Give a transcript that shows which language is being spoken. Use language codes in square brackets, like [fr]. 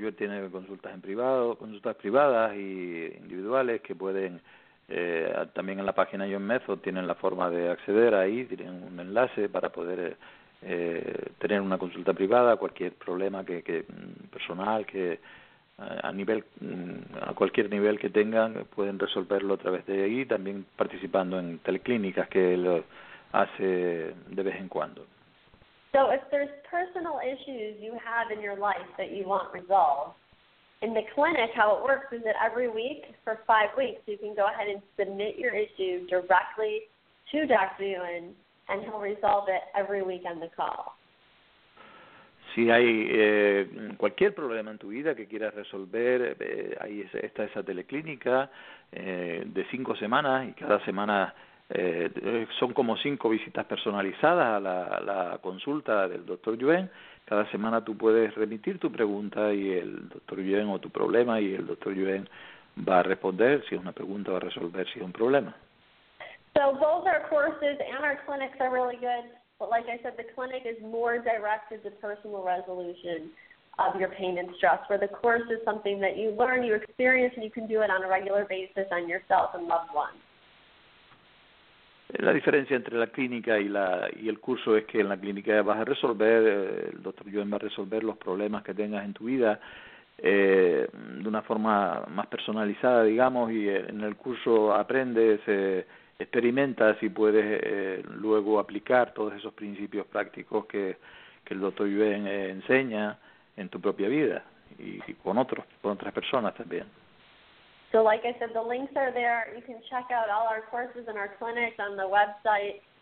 [es] Yuen tiene consultas en privado, consultas privadas y individuales que pueden también en la página Yuen Method tienen la forma de acceder ahí, tienen un enlace para poder tener una consulta privada, cualquier problema que personal, que a cualquier nivel que tengan, pueden resolverlo a través de ahí, también participando en teleclínicas que él hace de vez en cuando. [en] So if there's personal issues you have in your life that you want resolved, in the clinic, how it works is that every week for 5 weeks, you can go ahead and submit your issue directly to Dr. Yuen, and he'll resolve it every week on the call. [es] Si hay cualquier problema en tu vida que quieras resolver, ahí está esa teleclínica de 5 semanas, y cada semana son como 5 visitas personalizadas a la consulta del Dr. Yuen. Cada semana tú puedes remitir tu pregunta y el Dr. Yuen, o tu problema, y el Dr. Yuen va a responder si es una pregunta, va a resolver si es un problema. [en] So both our courses and our clinics are really good, but like I said, the clinic is more directed to personal resolution. of your pain and stress, where the course is something that you learn, you experience, and you can do it on a regular basis on yourself and loved ones. [es] La diferencia entre la clínica y la y el curso es que en la clínica vas a resolver, el doctor Yuen va a resolver los problemas que tengas en tu vida de una forma más personalizada, digamos, y en el curso aprendes, experimentas y puedes luego aplicar todos esos principios prácticos que el doctor Yuen enseña en tu propia vida y con otros, con otras personas también. [en] So like I said, the links are there. You can check out all our courses and our clinics on the website.